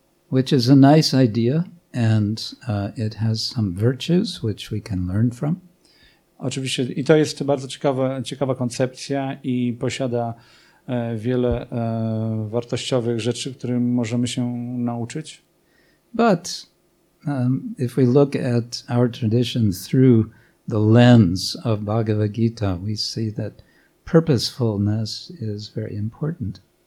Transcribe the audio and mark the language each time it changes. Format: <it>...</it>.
<en>Which is a nice idea, and it has some virtues which we can learn from.</en> <pl>Oczywiście, i to jest bardzo ciekawa koncepcja i posiada wiele wartościowych rzeczy, którym możemy się nauczyć.</pl> <en>But if we look at our tradition through the lens of Bhagavad Gita, we see that purposefulness is very important.</en>